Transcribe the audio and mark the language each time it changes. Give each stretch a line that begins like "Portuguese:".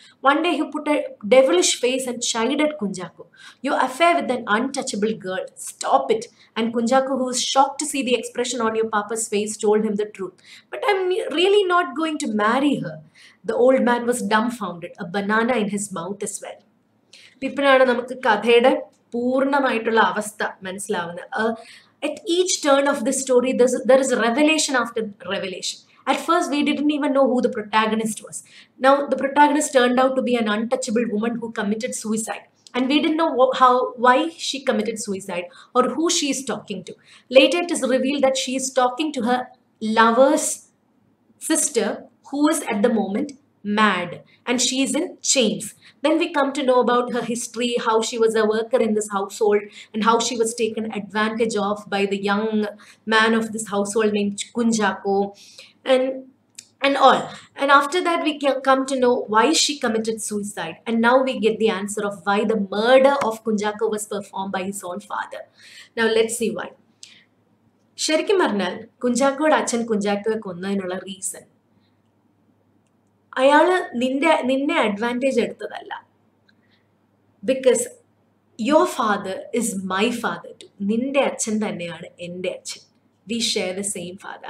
English: One day he put a devilish face and chided Kunjako. Your affair with an untouchable girl, stop it. And Kunjako, who was shocked to see the expression on your papa's face, told him the truth. But I'm really not going to marry her. The old man was dumbfounded, a banana in his mouth as well.
Malayalam: ഇപ്പോഴാണ് നമുക്ക് കഥയുടെ പൂർണ്ണമായിട്ടുള്ള അവസ്ഥ മനസ്സിലാവുന്നത്.
English: At each turn of this story there is revelation after revelation. At first we didn't even know who the protagonist was. Now the protagonist turn out to be an untouchable woman who committed suicide. And we didn't know how why she committed suicide or who she is talking to. Later it is revealed that she is talking to her lover's sister who is at the moment mad and she is in chains. Then we come to know about her history, how she was a worker in this household and how she was taken advantage of by the young man of this household named Kunjako and all. And after that we can come to know why she committed suicide, and now we get the answer of why the murder of Kunjako was performed by his own father. Now let's see why.
Malayalam: ശരിക്കും പറഞ്ഞാൽ കുഞ്ചാക്കോയുടെ അച്ഛൻ കുഞ്ചാക്കോയെ കൊന്നതിനുള്ള reason, അയാൾ നിന്നെ advantage എടുത്തതല്ല,
English: Because your father is my father too.
Malayalam: നിൻ്റെ അച്ഛൻ തന്നെയാണ് എൻ്റെ അച്ഛൻ.
English: We share the same father.